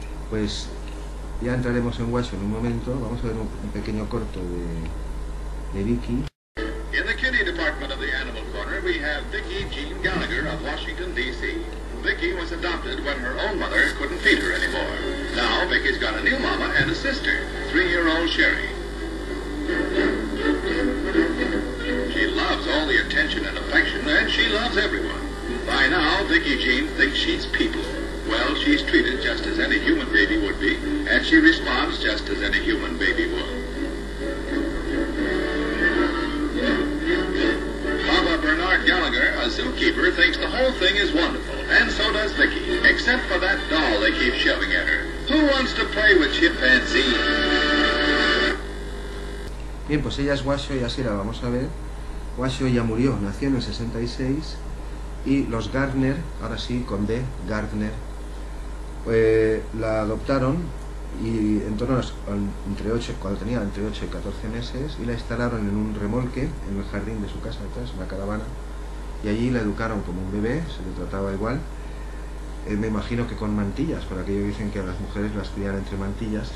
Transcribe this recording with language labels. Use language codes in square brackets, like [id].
[es] Pues ya entraremos en Washo en un momento. Vamos a ver un pequeño corto de Vicky. [en] In the Kitty Department of the Animal Corner, we have Vicky Jean Gallagher of Washington, D.C. Vicky was adopted when her own mother couldn't feed her anymore. Now Vicky's got a new mama and a sister, 3-year-old Sherry. She loves all the attention and affection, and she loves everyone. By now, Vicky Jean thinks she's people. Well, she's treated just as any human baby would be, and she responds just as any human baby would. Bernard Gallagher, a zookeeper, thinks the whole thing is wonderful, and so does Vicky, except for that doll they keep shoving at her. Who wants to play with chimpanzee? [es] Bien, pues ella es Washo y así la vamos a ver. Washo ya murió, nació en el 66, y los Gardner, ahora sí, con D, Gardner, la adoptaron y en torno a entre 8 y 14 meses, y la instalaron en un remolque en el jardín de su casa atrás, una caravana, y allí la educaron como un bebé, se le trataba igual, me imagino que con mantillas, por aquello dicen que a las mujeres las crían entre mantillas.